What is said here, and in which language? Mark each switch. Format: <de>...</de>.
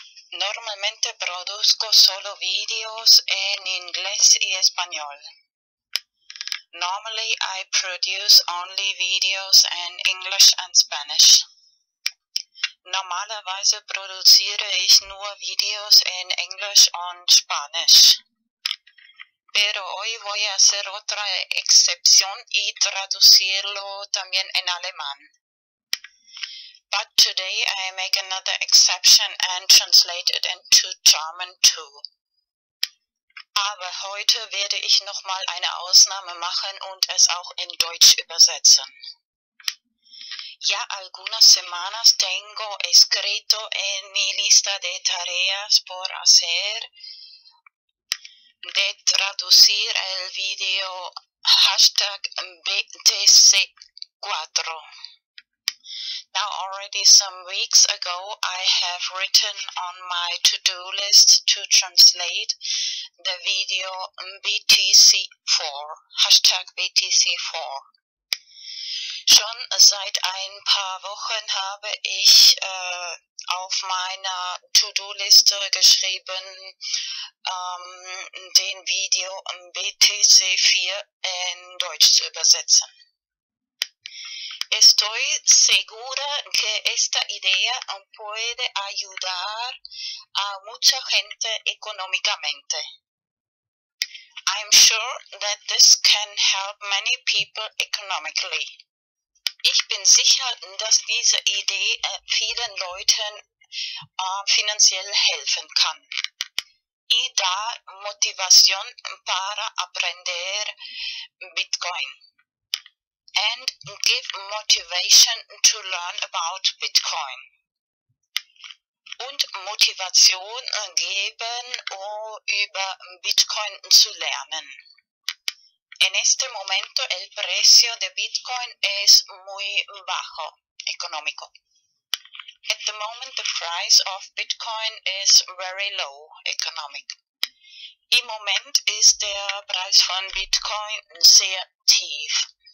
<es>Normalmente produzco solo videos en inglés y español.</es> <en>Normally I produce only videos in English and Spanish.</en> <de>Normalerweise produziere ich nur videos en English und Spanisch.</de> <es>Pero hoy voy a hacer otra excepción y traducirlo también en alemán.</es> <en>But today I make another exception and translate it into German too.</en> <de>Aber heute werde ich nochmal eine Ausnahme machen und es auch in Deutsch übersetzen.</de> <es>Ya algunas semanas tengo escrito en mi lista de tareas por hacer de traducir el video hashtag BTC4.</es> <en>Now already some weeks ago, I have written on my to-do list to translate the video BTC4, hashtag BTC4.</en> <de>Schon seit ein paar Wochen habe ich auf meiner To-Do-Liste geschrieben, den Video BTC4 in Deutsch zu übersetzen.</de> <es>Estoy segura que esta idea puede ayudar a mucha gente económicamente.</es> <en>I'm sure that this can help many people economically.</en> <de>Ich bin sicher, dass diese Idee vielen Leuten finanziell helfen kann.</de> <es>Y da motivación para aprender Bitcoin.</es> <en>And give motivation to learn about Bitcoin.</en> <de>Und Motivation geben, über Bitcoin zu lernen.</de> <es>En este momento el precio de Bitcoin es muy bajo, económico.</es> <en>At the moment the price of Bitcoin is very low, economic.</en> <de>Im Moment ist der Preis von Bitcoin sehr tief.</de>